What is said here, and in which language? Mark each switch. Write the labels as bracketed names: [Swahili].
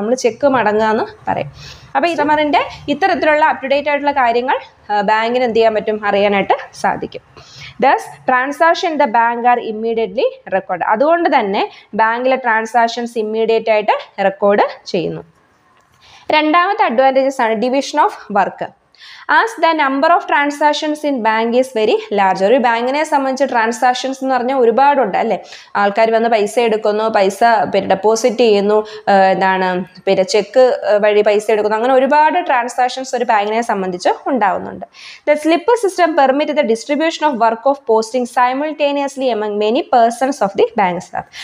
[Malayalam] നമ്മൾ ചെക്ക് മടങ്ങുക എന്ന് പറയും. അപ്പോൾ ഇതമറിൻ്റെ ഇത്തരത്തിലുള്ള അപ് ടു ഡേറ്റ് ആയിട്ടുള്ള കാര്യങ്ങൾ ബാങ്കിന് എന്ത് ചെയ്യാൻ പറ്റും, അറിയാനായിട്ട് സാധിക്കും. [English] Thus transaction in the bank are immediately record. [Malayalam] അതുകൊണ്ട് തന്നെ ബാങ്കിലെ ട്രാൻസാക്ഷൻസ് ഇമ്മീഡിയറ്റ് ആയിട്ട് റെക്കോർഡ് ചെയ്യുന്നു. രണ്ടാമത്തെ അഡ്വാൻറ്റേജസ് ആണ് division of work. [English] As the number of transactions in bank is very large. [Malayalam] ഒരു ബാങ്കിനെ സംബന്ധിച്ച് ട്രാൻസാക്ഷൻസ് എന്ന് പറഞ്ഞാൽ ഒരുപാടുണ്ട് അല്ലേ. ആൾക്കാർ വന്ന് പൈസ എടുക്കുന്നു, പൈസ ഡെപ്പോസിറ്റ് ചെയ്യുന്നു, എന്താണ് പിന്നെ ചെക്ക് വഴി പൈസ എടുക്കുന്നു, അങ്ങനെ ഒരുപാട് ട്രാൻസാക്ഷൻസ് ഒരു ബാങ്കിനെ സംബന്ധിച്ച് ഉണ്ടാവുന്നുണ്ട്. [English] The slip system permit the distribution of work of posting simultaneously among many persons of the bank staff.